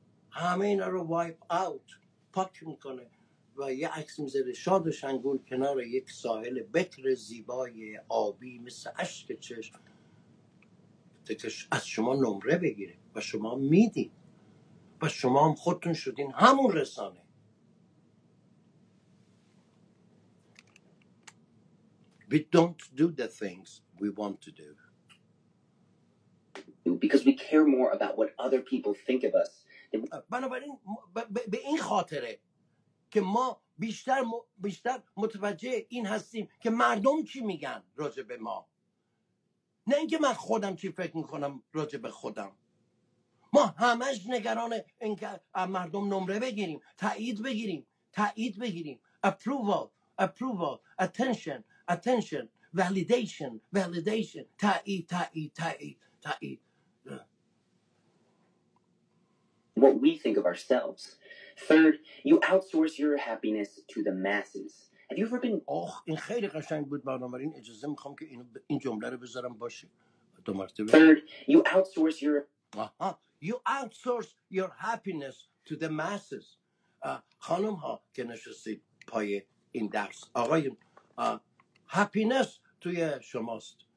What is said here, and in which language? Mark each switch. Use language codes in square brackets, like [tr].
[fa] همه اینا رو وایپ اوت پاک میکنه و یه عکس میذاره شاد و شنگول کنار یک ساحل بکر زیبای آبی مثل عشق چشم تکش از شما نمره بگیره و شما میدین و شما هم خودتون شدین همون رسانه. [en] We don't do the things we want to do. Because we care more about what other people think of us. [fa] بنابراین به این خاطره که ما بیشتر متوجه این هستیم که مردم چی میگن راجع به ما. نه اینکه من خودم چی فکر میکنم راجع به خودم. ما همش نگران اینکه از مردم نمره بگیریم، تایید بگیریم، [en] approval, attention, validation, [fa] تایید. [en] What we think of ourselves. Third, you outsource your happiness to the masses. Have you ever been? [fa] Oh, این خیلی قشنگ بود بنابراین اجازه میخوام که این جمله رو بذارم باشه. دو مرتبه. [en] Third, you outsource your. You outsource your happiness to the masses. [fa] خانم ها که نشستید پای این درس. آقایون happiness توی شماست.